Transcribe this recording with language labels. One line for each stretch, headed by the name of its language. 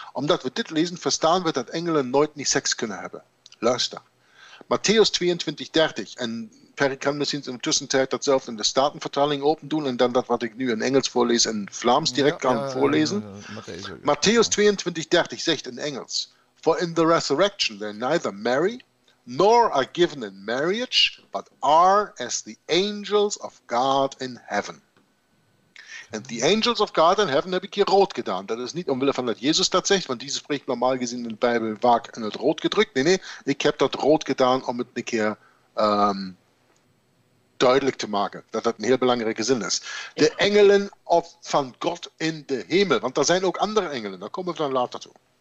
Dutch: Omdat we dit lezen, verstaan we dat engelen nooit niet seks kunnen hebben. Luister. Matthäus 22, 30. En Perry kan misschien in de tussentijd dat zelf in de Statenvertaling open doen en dan dat wat ik nu in Engels voorlees in Vlaams direct voorlezen. Matthäus 22, 30 zegt in Engels:
English: For in the resurrection they neither marry nor are given in marriage, but are as the angels of God in heaven. And the angels of God in heaven
Dutch: heb ik hier rood gedaan. Dat is niet omwille van dat Jezus dat zegt, want
German: diese spricht
Dutch: normaal gezien in de Bijbel vaak in het rood gedrukt. Nee, nee, ik heb dat rood gedaan om het een keer duidelijk te maken, dat dat een heel belangrijke zin is. De engelen van God in de hemel, want er zijn ook andere engelen, daar komen we dan later toe.